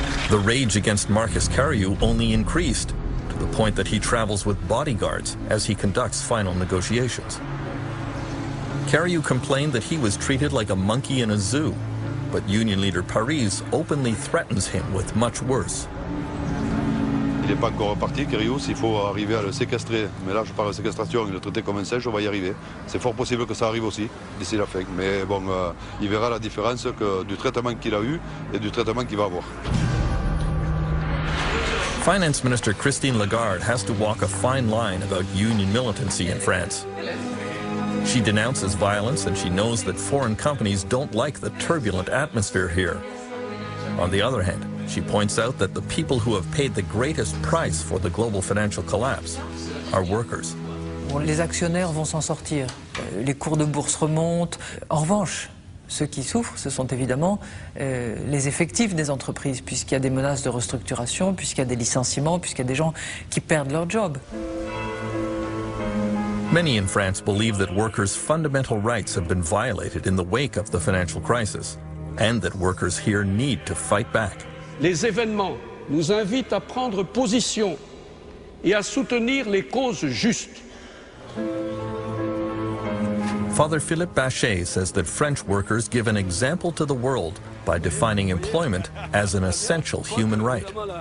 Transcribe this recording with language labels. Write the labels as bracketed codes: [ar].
[en] The rage against Marcus Carieu only increased, to the point that he travels with bodyguards as he conducts final negotiations. Carieu complained that he was treated like a monkey in a zoo, but union leader Paris openly threatens him with much worse. [fr] Il n'est pas encore parti, Carieu, s'il faut arriver à le séquestrer. Mais là, je parle de séquestration, il le traitait comme un singe, on va y arriver. C'est fort possible que ça arrive aussi d'ici la fin. Mais bon, il verra la différence que, du traitement qu'il a eu et du traitement qu'il va avoir. [en] Finance Minister Christine Lagarde has to walk a fine line about union militancy in France. She denounces violence and she knows that foreign companies don't like the turbulent atmosphere here. On the other hand, she points out that the people who have paid the greatest price for the global financial collapse are workers. [fr] Les actionnaires vont s'en sortir. Les cours de bourse remontent. En revanche, ceux qui souffrent, ce sont évidemment les effectifs des entreprises, puisqu'il y a des menaces de restructuration, puisqu'il y a des licenciements, puisqu'il y a des gens qui perdent leur job. [en] Many in France believe that workers' fundamental rights have been violated in the wake of the financial crisis, and that workers here need to fight back. [fr] Les événements nous invitent à prendre position et à soutenir les causes justes. [en] Father Philippe Bachet says that French workers give an example to the world by defining employment as an essential human right.